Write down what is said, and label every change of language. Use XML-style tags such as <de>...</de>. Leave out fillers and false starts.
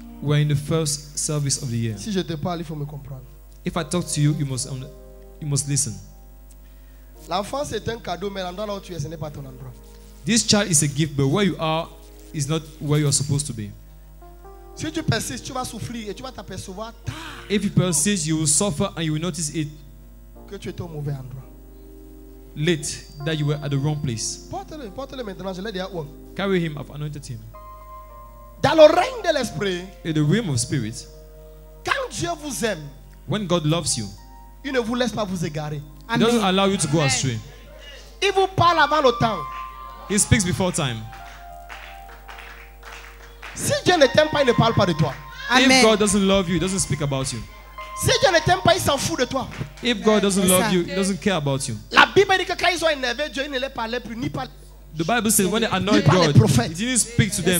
<en>We're in the first service of the year.</en> <fr>Si je te parle, il faut me comprendre.</fr> <en>If I talk to you, you must listen.</en> <fr>L'enfance est un cadeau, mais l'endroit où tu es, ce n'est pas ton endroit.</fr> <en>This child is a gift, but where you are is not where you are supposed to be.</en> <fr>Si tu persistes, tu vas souffrir et tu vas t'apercevoir tard.</fr> <en>If you persist, you will suffer and you will notice it.</en> <fr>Que tu es au mauvais endroit.</fr> <en>Late that you were at the wrong place.</en> <fr>Porte-le maintenant, je l'ai déjà oué.</fr> <en>Carry him, I've anointed him.</en> <fr>Dans le règne de l'esprit.</fr> <en>In the realm of spirit.</en> <fr>Quand Dieu vous aime.</fr> <en>When God loves you.</en> <fr>Il ne vous laisse pas vous égarer.</fr> <en>He doesn't allow you to go astray.</en> <fr>Il vous parle avant le temps.</fr> <en>He speaks before time.</en> <fr>Si Dieu ne t'aime pas, il ne parle pas de toi. Amen.</fr> <en>If God doesn't love you, he doesn't speak about you.</en> <fr>Si Dieu ne t'aime pas, il s'en fout de toi.</fr> <en>If God doesn't love you, he doesn't care about you.</en> <fr>La Bible dit que quand ils sont énervés, Dieu ne les parlait plus ni par.</fr> <en>The Bible says when they annoyed God, he didn't speak to them.</en>